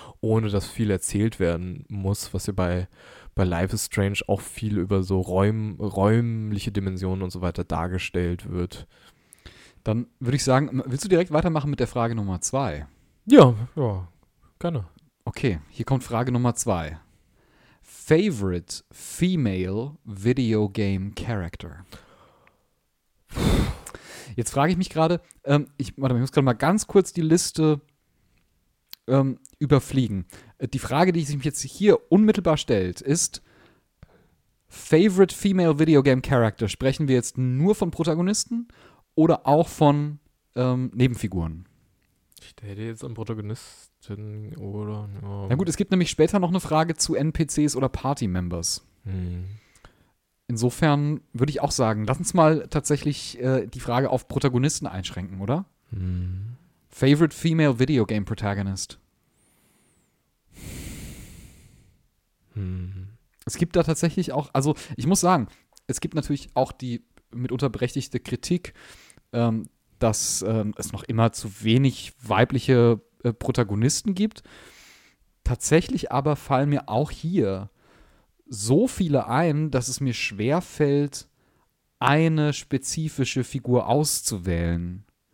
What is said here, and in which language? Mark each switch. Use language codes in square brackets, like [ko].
[de] ohne dass viel erzählt werden muss, was ja bei Life is Strange auch viel über so räumliche Dimensionen und so weiter dargestellt wird. Dann würde ich sagen, willst du direkt weitermachen mit der Frage Nummer 2? Ja, gerne. Okay, hier kommt Frage Nummer 2. [en] Favorite female video game character? [de] Jetzt frage ich mich gerade, ich muss gerade mal ganz kurz die Liste überfliegen. Die Frage, die sich mir jetzt hier unmittelbar stellt, ist: [en] Favorite female video game character? [de] Sprechen wir jetzt nur von Protagonisten oder auch von Nebenfiguren? Ich hätte jetzt an Protagonisten oder... Na gut, es gibt nämlich später noch eine Frage zu NPCs oder Party-Members. Hm. Insofern würde ich auch sagen, lass uns mal tatsächlich die Frage auf Protagonisten einschränken, oder? Hm. [en] Favorite female video game protagonist? Hm. [de] Es gibt da tatsächlich auch, also ich muss sagen, es gibt natürlich auch die mitunter berechtigte Kritik, dass es noch immer zu wenig weibliche Protagonisten gibt. Tatsächlich aber fallen mir auch hier so viele ein, dass es mir schwer fällt, eine spezifische Figur auszuwählen.